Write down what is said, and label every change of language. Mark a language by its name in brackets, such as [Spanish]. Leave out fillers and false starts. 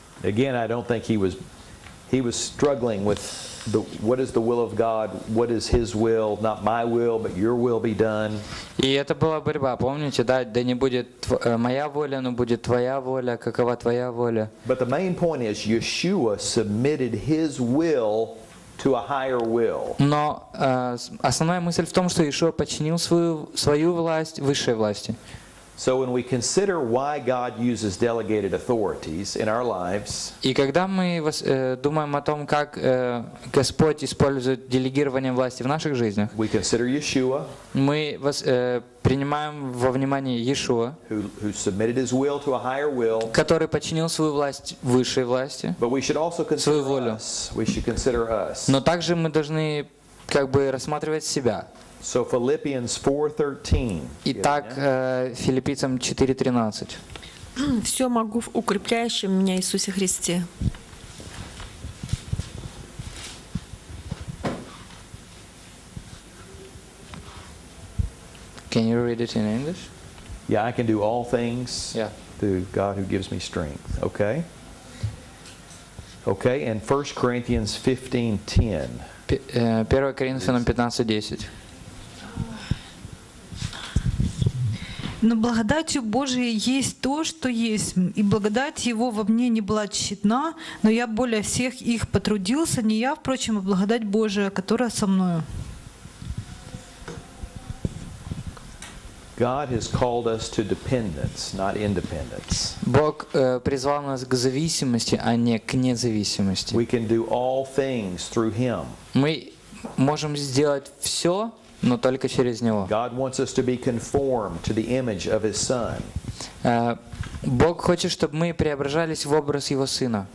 [English] Again, I don't think he was struggling with what is the will of God, what is his will, not my will, but your will be done. [Russian] И это была борьба, помните, да не будет моя воля, но будет твоя воля, какова твоя воля. [English] But the main point is, Yeshua submitted his will to a higher will. [Russian] Но основная мысль в том, что Иешуа подчинил свою власть высшей власти. [English] So when we consider why God uses delegated authorities in our lives, [Russian] и когда мы думаем о том, как Господь использует делегирование власти в наших жизнях, [English] we consider Yeshua, [Russian] мы принимаем во внимание Иешуа, [English] who submitted his will to a higher will, [Russian] который подчинил свою власть высшей власти, [English] but we should also consider [Russian] свою волю. [English] Us. We should consider us. [Russian] Но также мы должны как бы рассматривать себя. [English] So Philippians 4:13. [Russian] Итак, Филиппийцам 4:13. Все могу в укрепляющем меня Иисусе Христе. [English] Can you read it in English? Yeah, I can do all things yeah. through God who gives me strength. Okay? Okay, and 1 Corinthians 15:10. 1 Corinthians 15:10. [Russian] Но благодатью Божией есть то, что есть, и благодать Его во мне не была тщетна, но я более всех их потрудился, не я, впрочем, а благодать Божия, которая со мною. [English] God has called us to dependence, not independence. [Russian] Бог призвал нас к зависимости, а не к независимости. [English] We can do all things through Him. [Russian] Мы можем сделать все, но только через Него. [English] God wants us to be conformed to the image of His Son. [Russian] Бог хочет, чтобы мы преображались в образ Его Сына.